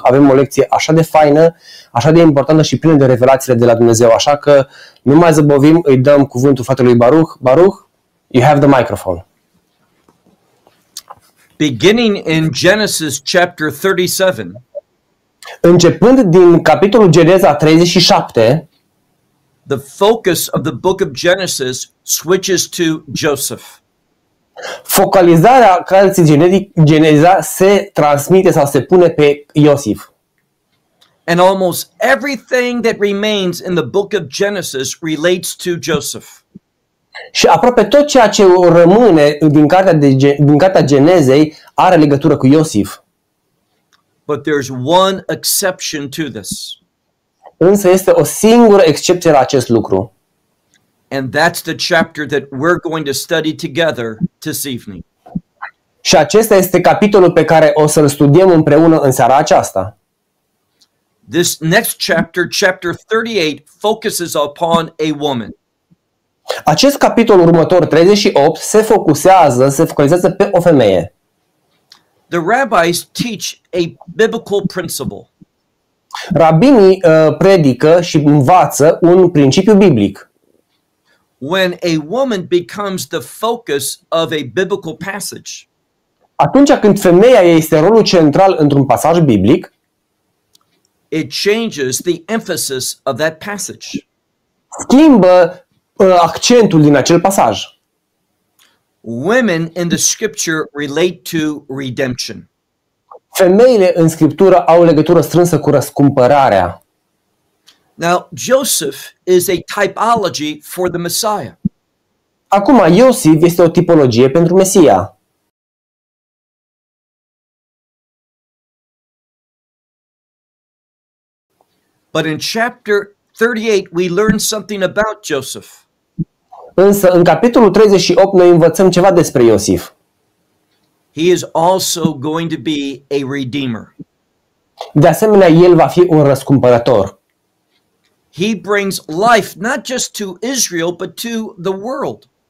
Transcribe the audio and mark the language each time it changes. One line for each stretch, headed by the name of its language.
Romanian: Avem o lecție așa de faină, așa de importantă și plină de revelațiile de la Dumnezeu, așa că nu mai zăbovim, îi dăm cuvântul fratelui Baruch.
English: Baruch, you have the microphone. Beginning in Genesis chapter 37.
Romanian: Începând din capitolul Geneza 37,
English: the focus of the book of Genesis switches to Joseph.
Romanian: Focalizarea cărții Geneza se transmite sau se pune pe Iosif.
English: And almost everything that remains in the book of Genesis relates to Joseph.
Romanian: Și aproape tot ceea ce rămâne din cartea Genezei are legătură cu Iosif.
English: But there's one exception to this.
Romanian: Însă este o singură excepție la acest lucru.
English: And that's the chapter that we're going to study together this evening.
Romanian: Și acesta este capitolul pe care o să-l studiem împreună în seara aceasta.
English: This next chapter, chapter 38, focuses upon a woman.
Romanian: Acest capitol următor, 38, se focalizează pe o femeie.
English: The rabbis teach a biblical principle.
Romanian: Rabinii predică și învață un principiu biblic.
English: When a woman becomes the focus of a biblical passage.
Romanian: Atunci când femeia este rolul central într-un pasaj biblic,
English: it changes the emphasis of that passage.
Romanian: Schimbă accentul din acel pasaj.
English: Women in the scripture relate to redemption.
Romanian: Femeile în scriptură au legătură strânsă cu răscumpărarea.
English: Now, Joseph is a typology for the Messiah.
Romanian: Acum, Iosif este o tipologie pentru Mesia.
English: But in chapter 38 we learn something about Joseph.
Romanian: Însă în capitolul 38 noi învățăm ceva despre Iosif.
English: He is also going to be a redeemer.
Romanian: De asemenea, el va fi un răscumpărător.
English: He brings life not just to Israel but to the world.